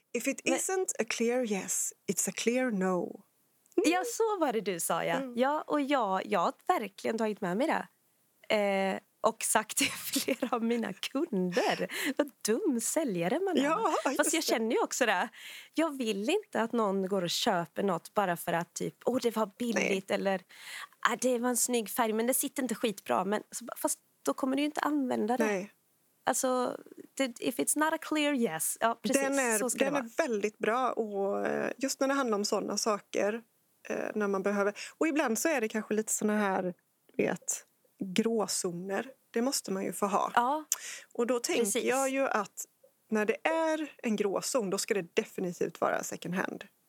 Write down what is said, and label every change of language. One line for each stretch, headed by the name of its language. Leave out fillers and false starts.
English: If it isn't a clear yes, it's a clear no.
Swedish: Mm. Ja, så var det du sa, ja. Mm. Ja, och jag har verkligen tagit med mig det. Och sagt till flera av mina kunder. Vad dum säljare man är. Ja, fast jag känner ju också det. Jag vill inte att någon går och köper något bara för att typ, åh, det var billigt. Nej. Eller, det var en snygg färg, men det sitter inte skitbra. Men, fast då kommer du ju inte använda det. Nej.
English: Alltså, if it's not a clear yes.
Swedish: Ja, precis. Den är väldigt bra. Och just när det handlar om sådana saker. När man behöver. Och ibland så är det kanske lite sådana här, vet, gråzoner. Det måste man ju få ha. Ja. Och då tänker jag ju att när det är en gråzon, då ska det definitivt vara second hand.